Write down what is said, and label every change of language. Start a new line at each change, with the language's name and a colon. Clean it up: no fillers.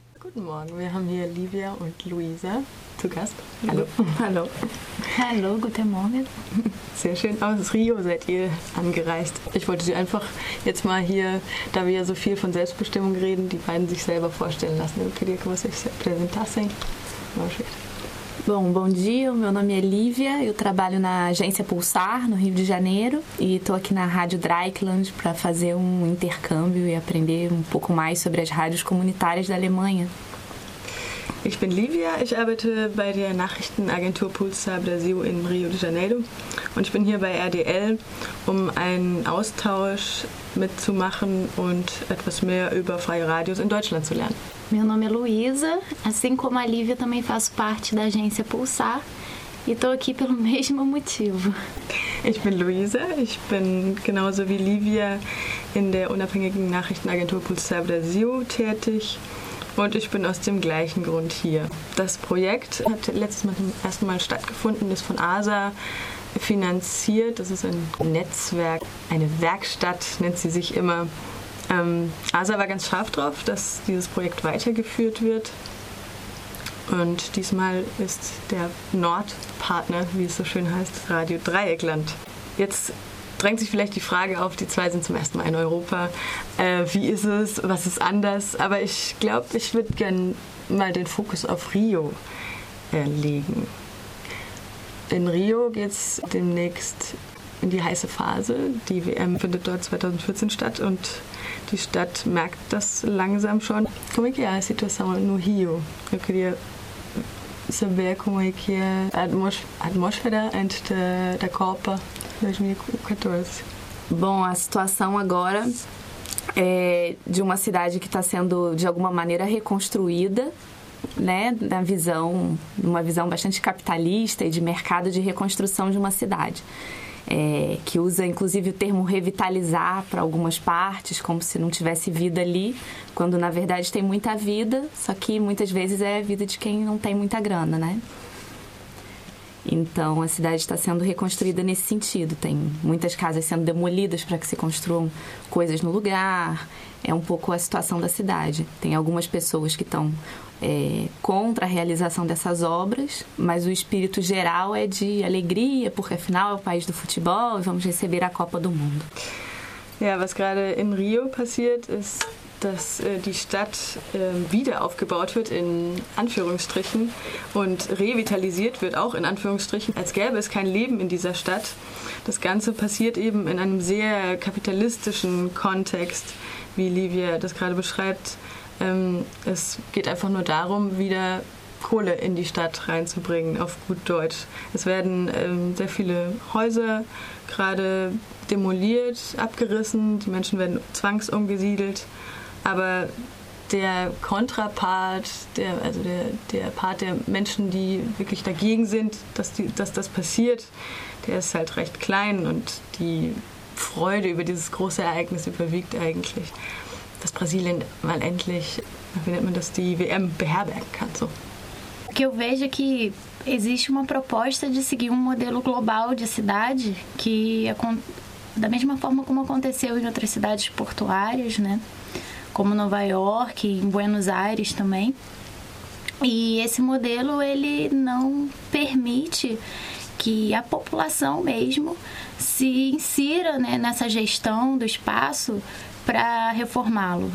German: Guten Morgen, wir haben hier Livia und Luisa zu Gast. Hallo. Hallo. Hallo, guten Morgen. Sehr schön, aus Rio seid ihr angereist. Ich wollte sie einfach jetzt mal hier, da wir ja so viel von Selbstbestimmung reden, die beiden sich selber vorstellen lassen.
Portuguese: Eu queria que vocês se apresentassem. Bom dia, meu nome é Lívia, eu trabalho na agência Pulsar, no Rio de Janeiro, e estou aqui na Rádio Dreieckland para fazer um intercâmbio e aprender um pouco mais sobre as rádios comunitárias da Alemanha.
German: Ich bin Lívia, ich arbeite bei der Nachrichtenagentur Pulsar Brasil in Rio de Janeiro und ich bin hier bei RDL, um einen Austausch mitzumachen und etwas mehr über freie Radios in Deutschland zu lernen.
Portuguese: Meu nome é Luísa, assim como a Lívia, também faço parte da agência Pulsar e estou aqui pelo mesmo motivo.
German: Ich bin Luísa, ich bin genauso wie Lívia in der unabhängigen Nachrichtenagentur Pulsar Brasil tätig. Und ich bin aus dem gleichen Grund hier. Das Projekt hat letztes Mal zum ersten Mal stattgefunden, ist von ASA finanziert. Das ist ein Netzwerk, eine Werkstatt nennt sie sich immer. ASA war ganz scharf drauf, dass dieses Projekt weitergeführt wird. Und diesmal ist der Nordpartner, wie es so schön heißt, Radio Dreieckland. Jetzt drängt sich vielleicht die Frage auf, die zwei sind zum ersten Mal in Europa. Wie ist es? Was ist anders? Aber ich glaube, ich würde gerne mal den Fokus auf Rio legen. In Rio geht es demnächst in die heiße Phase. Die WM findet dort 2014 statt und die Stadt merkt das langsam schon.
Portuguese: Como é que é a situação no Rio? Eu queria saber como é que é a atmosfera entre a Copa. 2014. Bom, a situação agora é de uma cidade que está sendo, de alguma maneira, reconstruída, né? Na visão, numa visão bastante capitalista e de mercado de reconstrução de uma cidade. É, que usa, inclusive, o termo revitalizar para algumas partes, como se não tivesse vida ali, quando, na verdade, tem muita vida, só que, muitas vezes, é a vida de quem não tem muita grana, né? Então, a cidade está sendo reconstruída nesse sentido. Tem muitas casas sendo demolidas para que se construam coisas no lugar. É um pouco a situação da cidade. Tem algumas pessoas que estão contra a realização dessas obras, mas o espírito geral é de alegria, porque afinal é o país do futebol e vamos receber a Copa do Mundo.
German: Ja, was gerade in Rio passiert ist, dass die Stadt wieder aufgebaut wird, in Anführungsstrichen, und revitalisiert wird, auch in Anführungsstrichen, als gäbe es kein Leben in dieser Stadt. Das Ganze passiert eben in einem sehr kapitalistischen Kontext, wie Livia das gerade beschreibt. Es geht einfach nur darum, wieder Kohle in die Stadt reinzubringen, auf gut Deutsch. Es werden sehr viele Häuser gerade demoliert, abgerissen, die Menschen werden zwangsumgesiedelt. Aber der Kontrapart, der Part der Menschen, die wirklich dagegen sind, dass das passiert, der ist halt recht klein und die Freude über dieses große Ereignis überwiegt eigentlich, dass Brasilien mal endlich, wie nennt man das, die WM beherbergen kann. So.
Portuguese: Que eu vejo que existe uma proposta de seguir um modelo global de cidade que, da mesma forma como aconteceu em outras cidades portuárias, né? Como Nova York, em Buenos Aires também. E esse modelo, ele não permite que a população mesmo se insira, né, nessa gestão do espaço para reformá-lo.